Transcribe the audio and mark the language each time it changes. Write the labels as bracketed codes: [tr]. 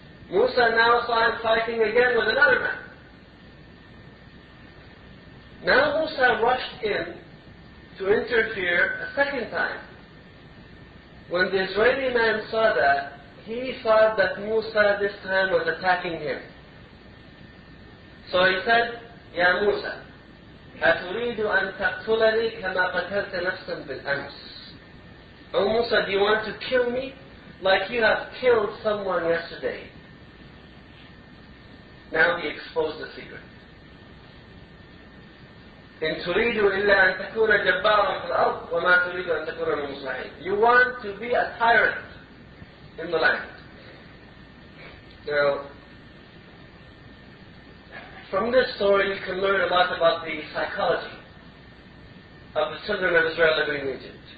[en] Musa now saw him fighting again with another man. Now Musa rushed in to interfere a second time. When the Israeli man saw that, he thought that Musa this time was attacking him. So he said, [ar] Ya Musa, أتريد أن تقتلني كما قتلت نفسا بالأمس. [en] O Musa, do you want to kill me like you have killed someone yesterday? Now he exposed the secret. [ar] إن تريد إلا أن تكون جبارا في الأرض وما تريد أن تكون من المصلحين. [en] You want to be a tyrant in the land. Now, from this story you can learn a lot about the psychology of the children of Israel living in Egypt.